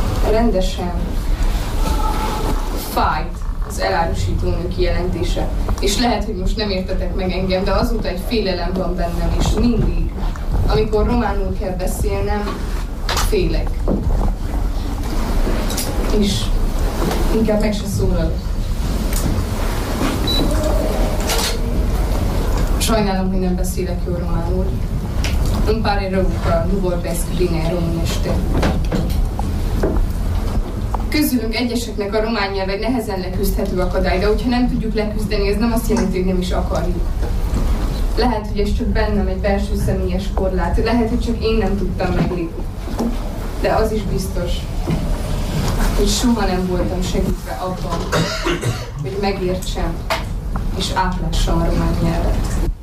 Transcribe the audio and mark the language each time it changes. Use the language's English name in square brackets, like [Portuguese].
[Hungarian] Rendesen fájt az elárusítónő kijelentése, és lehet, hogy most nem értetek meg engem, de azóta egy félelem van bennem, és mindig, amikor románul kell beszélnem, félek. És inkább meg se szólal. Sajnálom, hogy nem beszélek jól románul. [Romanian] Un pare rău că nu vorbesc bine românește. [Hungarian] Közülünk egyeseknek a román nyelv egy nehezen leküzdhető akadály, de hogyha nem tudjuk leküzdeni, ez nem azt jelenti, hogy nem is akarjuk. Lehet, hogy ez csak bennem egy belső személyes korlát, lehet, hogy csak én nem tudtam meglépni. De az is biztos, hogy soha nem voltam segítve abban, hogy megértsem és átlássam a román nyelvet.